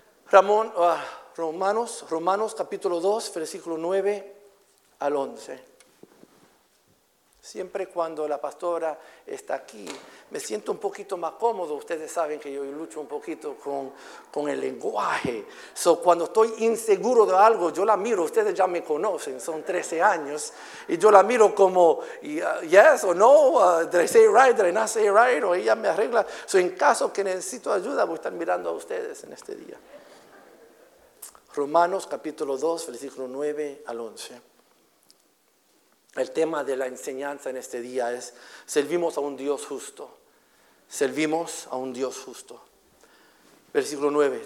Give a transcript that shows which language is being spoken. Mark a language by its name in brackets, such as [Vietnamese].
[Spanish] Romanos capítulo 2, versículo 9 al 11. Siempre cuando la pastora está aquí, me siento un poquito más cómodo. Ustedes saben que yo lucho un poquito con el lenguaje. So, cuando estoy inseguro de algo, yo la miro. Ustedes ya me conocen, son 13 años. Y yo la miro como, [English] yes or no, did I say it right, did I not say it right? [Spanish] O ella me arregla. So, en caso que necesito ayuda, voy a estar mirando a ustedes en este día. Romanos capítulo 2, versículo 9 al 11. El tema de la enseñanza en este día es: servimos a un Dios justo. Servimos a un Dios justo. Versículo 9.